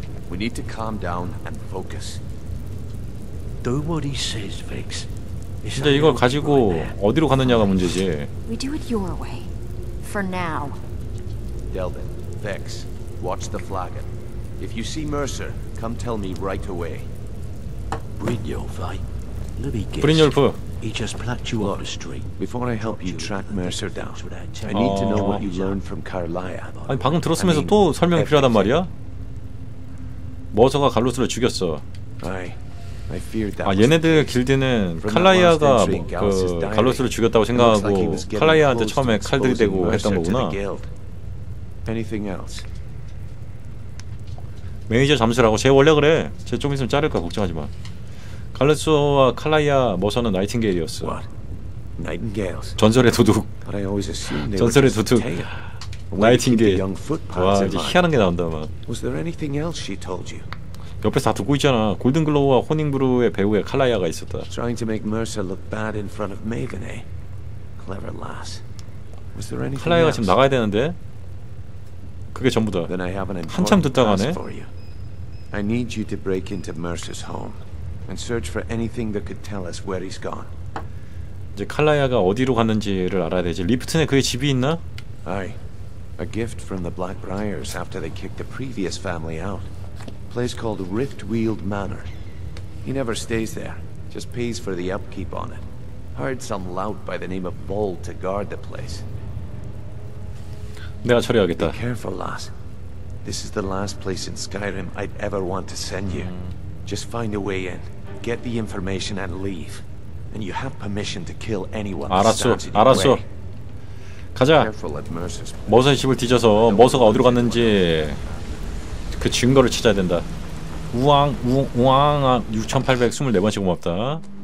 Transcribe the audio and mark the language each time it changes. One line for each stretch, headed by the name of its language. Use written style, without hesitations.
English: We need to calm down and focus. Do what he says, Vex.
Korean: 근데 이걸 가지고 어디로 가느냐가 문제지.
English: We do it your way. For now. Delvin, Vex, watch the flagon. If you see Mercer, come tell me right away. Brynjolf, I. Let me guess. Brynjolf. He just plucked you off the street. Before I help you track Mercer down, I need to know what you learned from Carlyle.
Korean: 아니 방금 들었으면서 또 설명이 필요하단 말이야? 머서가 갈로스를 죽였어.
English: 아이. I feared that.
Korean: 아, 얘네들 길드는 칼라이아가 뭐, 그 갈로스를 죽였다고 생각하고 칼라이아한테 처음에 칼들이대고 했던 거구나.
English: Anything else?
Korean: 매니저 잠수라고 쟤 원래 그래. 쟤 좀 있으면 자를까 걱정하지 마. 갈로스와 칼라이아 머서는 나이팅게일이었어.
English: Nightingales.
Korean: 전설의 도둑. 전설의 도둑. 나이팅게일. 와, 이제 희한한 게 나온다 막.
English: Was there anything else she told you?
Korean: 옆에서 다 듣고 있잖아. 골든 글로우와 호닝브루의 배우의 칼라이아가 있었다.
English: Trying to make Mercer look bad in front of Megan, eh? Clever lass. Was there anything?
Korean: 칼라이아가 지금 나가야 되는데. 그게 전부다.
English: Then I have an important.
Korean: 한참 듣다가네.
English: I need you to break into Mercer's home and search for anything that could tell us where he's gone.
Korean: 이제 칼라이아가 어디로 갔는지를 알아야 되지. 리프튼에 그의 집이 있나?
English: Aye. A gift from the Blackbriars after they kicked the previous family out. Place called Riftweald Manor. He never stays there. Just pays for the upkeep on it. Hired some lout by the name of Bald to guard the place.
Korean: 내가 처리하겠다.
English: Be careful, lass. This is the last place in Skyrim I'd ever want to send you. Just find a way in. Get the information and leave. And you have permission to kill anyone.
Korean: 알았어. 알았어. 가자. 머서 집을 뒤져서 머서가 어디로 갔는지. 그 증거를 찾아야 된다. 우왕 우왕 6824번씩 고맙다.